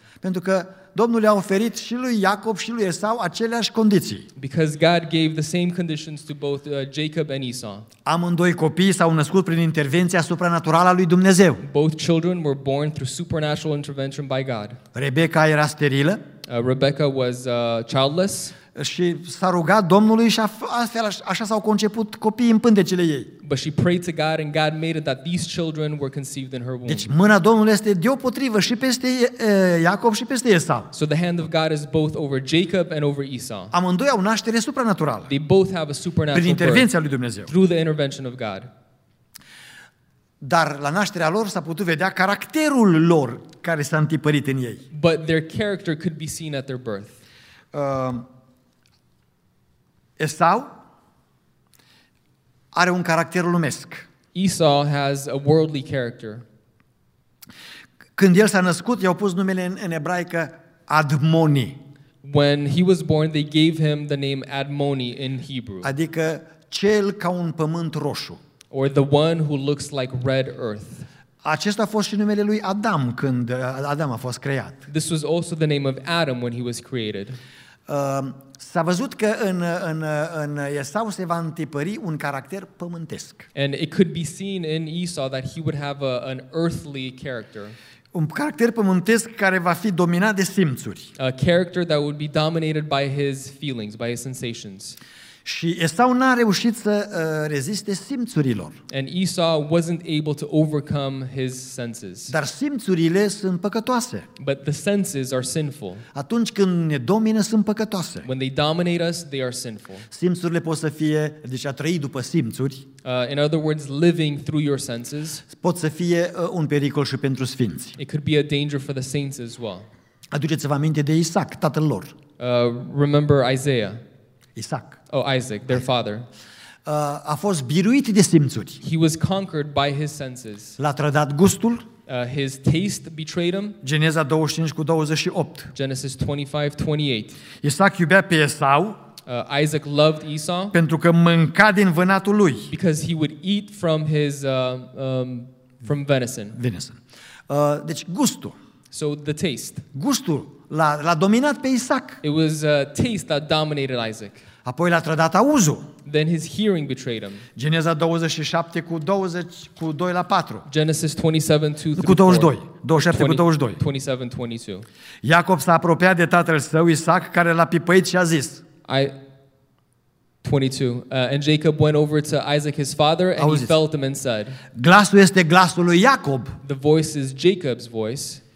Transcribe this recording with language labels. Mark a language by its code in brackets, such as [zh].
[ro] Pentru că Domnul i-a oferit și lui Iacob și lui Esau aceleași condiții. [en] Because God gave the same conditions to both Jacob and Esau. [ro] Amândoi copii s-au născut prin intervenția supranaturală a lui Dumnezeu. [en] Both children were born through supernatural intervention by God. [ro] Rebecca era sterilă. [en] Rebecca was childless. [ro] Și s-a rugat Domnului și așa s-au conceput copiii în pântecele ei. [en] But she prayed to God and God made it that these children were conceived in her womb. [ro] Deci mâna Domnului este deopotrivă și peste Iacob și peste Esau. [en] So the hand of God is both over Jacob and over Esau. [ro] Amândoi au naștere supranaturală. [en] They both have a supernatural [ro] birth. Prin intervenția lui Dumnezeu. [en] Through the intervention of God. [ro] Dar la nașterea lor s-a putut vedea caracterul lor care s-a întipărit în ei. [en] But their character could be seen at their birth. [ro] Esau are un caracter lumesc. [en] Esau has a worldly character. [ro] Când el s-a născut, i-au pus numele în ebraică Admoni. [en] When he was born, they gave him the name Admoni in Hebrew. [ro] Adică cel ca un pământ roșu. [en] Or the one who looks like red earth. [ro] Acesta a fost și numele lui Adam când Adam a fost creat. [en] This was also the name of Adam when he was created. [ro] S-a văzut că în Esau se va întipări un caracter pământesc. [en] And it could be seen in Esau that he would have an earthly character. [ro] Un caracter pământesc care va fi dominat de simțuri. [en] A character that would be dominated by his feelings, by his sensations. [ro] Și Esau n-a reușit să reziste simțurilor. [en] And Esau wasn't able to overcome his senses. [ro] Dar simțurile sunt păcătoase. [en] But the senses are sinful. [ro] Atunci când ne domină, sunt păcătoase. [en] When they dominate us, they are sinful. [ro] Simțurile pot să fie, deci a trăi după simțuri. [en] In other words, living through your senses. [ro] Pot să fie un pericol și pentru sfinți. [en] It could be a danger for the saints as well. [ro] Aduceți-vă aminte de Isaac, tatăl lor. [en] Remember Isaiah. [ro] Isaac. [en] Oh, Isaac, their father. [ro] A fost biruit de simțuri. [en] He was conquered by his senses. [ro] L-a trădat gustul. [en] His taste betrayed him. [ro] Geneza 25:28. [en] Genesis 25:28. [ro] Isaac iubea pe Esau. [en] Isaac loved Esau. [ro] Pentru că mânca din vânatul lui. [en] Because he would eat from his from venison. [ro] Venison. Deci gustul. [en] So the taste. [ro] Gustul l-a dominat pe Isaac. [en] It was a taste that dominated Isaac. [ro] Apoi l-a trădat auzul. [en] Then his hearing betrayed him. [ro] Geneza 27:20-4. [en] Genesis 27:2-4. [ro] Cu 22. 27 cu 22. [en] 27:22. [ro] Iacob s-a apropiat de tatăl său Isaac, care l-a pipăit și a zis. [en] 22. And Jacob went over to Isaac his father and he felt him and said. [ro] Glasul este glasul lui Iacob. [en] The voice is Jacob's voice.